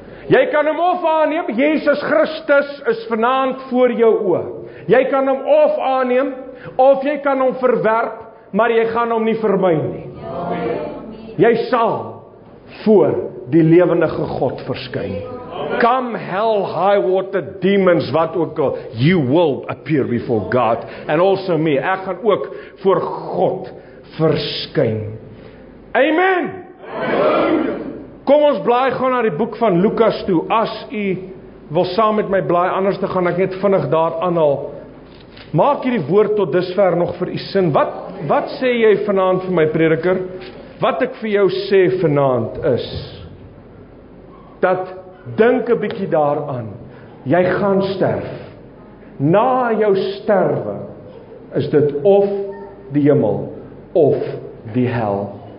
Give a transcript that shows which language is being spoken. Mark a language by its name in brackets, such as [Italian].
[Afrikaans] Jy kan hom of aanneem, Jesus Christus is vanaand voor jou oë. Jy kan hom of aanneem, of jy kan hom verwerp, maar jy gaan hom nie vermy nie. Jy sal voor die lewendige God verskyn. [English] Come hell, high water, demons, [Afrikaans] wat ook al, [English] you will appear before God, and also me. [Afrikaans] Ek gaan ook voor God verskyn. Amen! Amen! Kom ons blaai gewoon na die boek van Lukas toe, as u wil saam met my blaai, anders te gaan ek net vinnig daar aanhaal. Maak hierdie woord tot dusver nog vir u sin. Wat sê jy vanaand vir my prediker? Wat ek vir jou sê vanaand is, dat dink 'n bietjie daaraan, jy gaan sterf. Na jou sterwe is dit of die hemel of die hel.